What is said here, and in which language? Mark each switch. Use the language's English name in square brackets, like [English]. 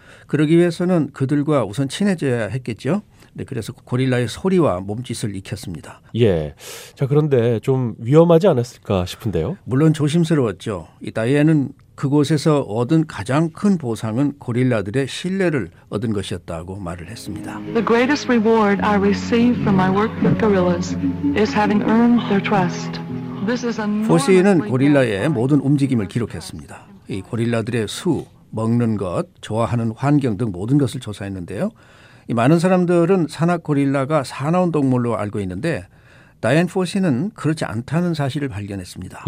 [Korean] 그러기 위해서는 그들과 우선 친해져야 했겠죠. 네, 그래서 고릴라의 소리와 몸짓을 익혔습니다. 예. 자, 그런데 좀 위험하지 않았을까 싶은데요. 물론 조심스러웠죠. 이 다이안은 그곳에서 얻은 가장 큰 보상은 고릴라들의 신뢰를 얻은 것이었다고 말을 했습니다. [English] The greatest reward I receive from my work with gorillas is having earned their trust. This is a new. [Korean] 포시는 고릴라의 모든 움직임을 기록했습니다. 이 고릴라들의 수, 먹는 것, 좋아하는 환경 등 모든 것을 조사했는데요. 이 많은 사람들은 산악 고릴라가 사나운 동물로 알고 있는데 다이안 포시는 그렇지 않다는 사실을 발견했습니다.